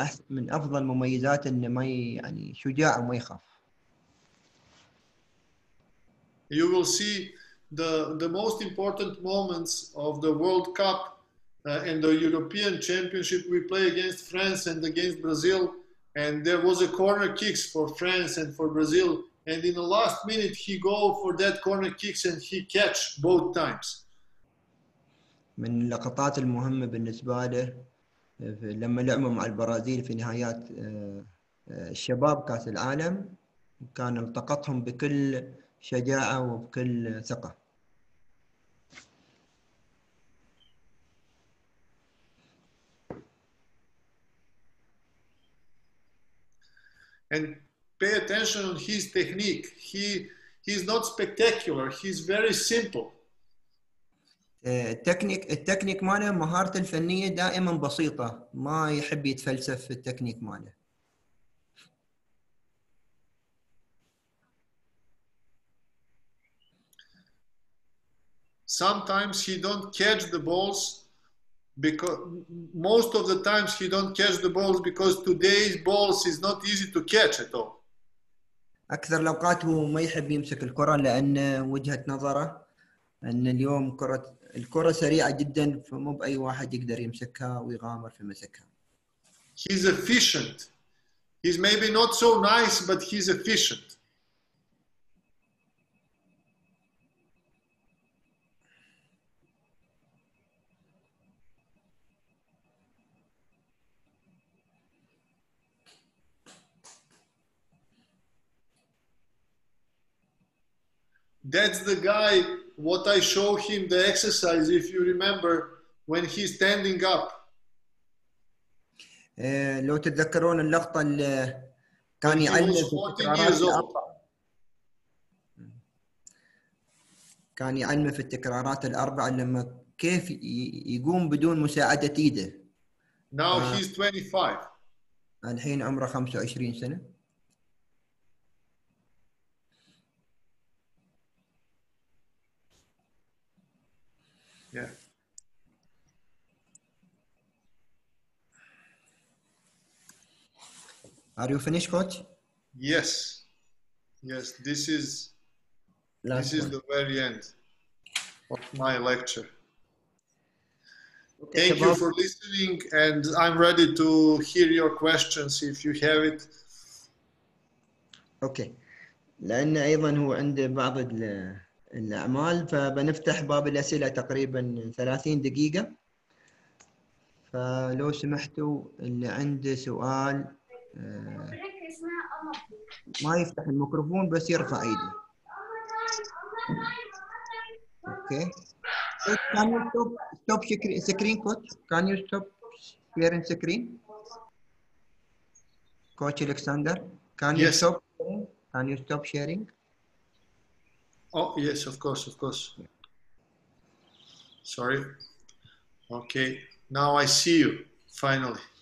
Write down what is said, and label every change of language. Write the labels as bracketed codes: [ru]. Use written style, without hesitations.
[ar] من أفضل مميزات إنه ما يعني شجاع وما يخاف. [en] You will see the most important moments of the World Cup and the European Championship. We play against France and against Brazil, and there was a corner kicks for France and for Brazil. And in the last minute, he go for that corner kicks and he catch both times. [ar] من اللقطات المهمة بالنسبة له لما لعبوا مع البرازيل في نهايات الشباب كأس العالم كان التقطهم بكل شجاعة وبكل ثقة. [en] And pay attention on his technique. He's not spectacular. He's very simple. [ar] التكنيك ماله مهارته الفنية دائما بسيطة. ما يحب يتفلسف في التكنيك ماله. [en] Yeah. sometimes he don't catch the balls because most of the times he don't catch the balls because today's balls is not easy to catch at all. [ar] أكثر الأوقات هو ما يحب يمسك الكرة لأن وجهة نظره أن اليوم كرة الكرة سريعة جدا فمو بأي واحد يقدر يمسكها ويغامر في مسكها. [en] He's efficient. He's maybe not so nice, but he's efficient. That's the guy, what I show him the exercise, if you remember, when he's standing up. [ar] لو تتذكرون اللقطة اللي كان يعلّف في التكرارات كان يعلّف في التكرارات الأربع لما كيف يقوم بدون مساعدة إيده. [en] Now he's 25. [ar] الحين عمره 25 سنة. [en] Yeah. Are you finished, coach? Yes. Yes, this is last this one. Is the very end of my lecture. Okay, thank you for listening and I'm ready to hear your questions if you have it. Okay. [ar] لأن أيضا هو عنده بعض الأعمال فبنفتح باب الأسئلة تقريبا 30 دقيقة فلو سمحتوا اللي عنده سؤال ما يفتح الميكروفون بس يرفع ايده [en] Okay can you stop screen coach can you stop sharing screen coach Alexander can you stop can you stop sharing Oh, yes, of course, of course. Sorry. Okay, now I see you, finally.